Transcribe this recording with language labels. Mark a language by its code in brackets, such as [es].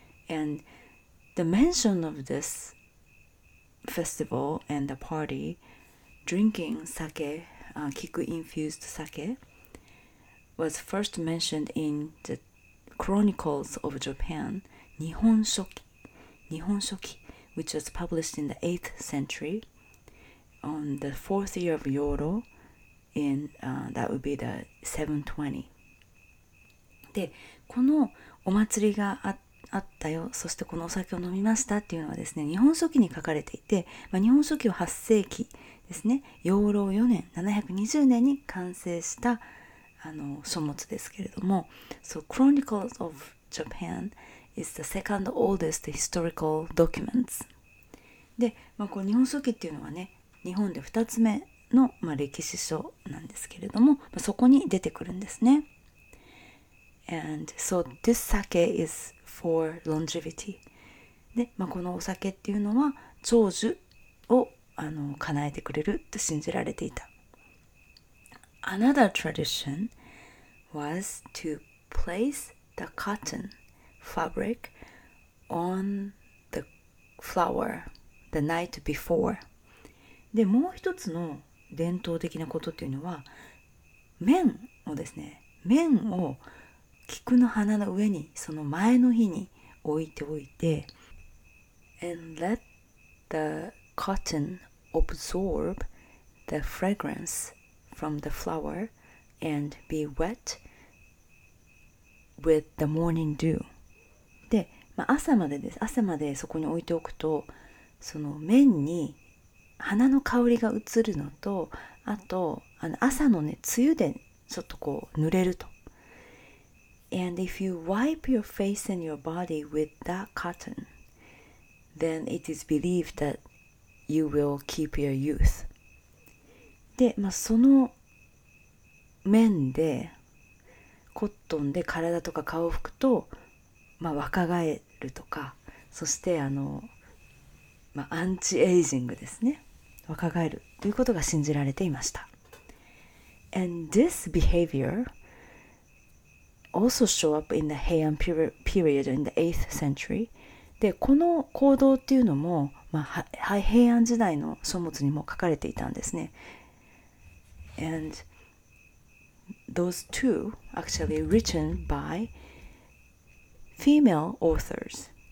[en] And the mention of this festival and the party, drinking sake, 菊 infused sake, was first mentioned in the Chronicles of Japan, 日本書紀。 Which was published in the 8th century on the 4th year of Yoro in、that would be the 720. [ja] で、このお祭りがあったよ、そしてこのお酒を飲みましたっていうのはですね、日本書紀に書かれていて、まあ、日本書紀は8世紀ですね、養老4年、720年に完成したあの書物ですけれども、 [en] So Chronicles of Japan,is the second oldest historical documents. [ja] で、まあこう日本書紀っていうのはね、日本で2つ目の、まあ、歴史書なんですけれども、まあ、そこに出てくるんですね。 [en] And so this sake is for longevity. [ja] で、まあこのお酒っていうのは長寿をあの叶えてくれると信じられていた。 [en] Another tradition was to place the cotton. Fabric on the flower the night before. [ja] で、もう一つの伝統的なことっていうのは、綿をですね、綿を菊の花の上にその前の日に置いておいて、 [en] and let the cotton absorb the fragrance from the flower and be wet with the morning dew. [ja] で、まあ、朝までです。朝までそこに置いておくと、その麺に花の香りが移るのと、あとあの朝のね、梅雨でちょっとこう濡れると。 [en] And if you wipe your face and your body with that cotton, then it is believed that you will keep your youth. [ja] で、まあ、その面でコットンで体とか顔を拭くと、まあ、若返るとか、そしてあの、まあ、アンチエイジングですね、若返るということが信じられていました。 [en] And this behavior also show up in the Heian period in the 8th century. [ja] で、この行動っていうのも、まあ、平安時代の書物にも書かれていたんですね。 [en] And those two actually written by female authors.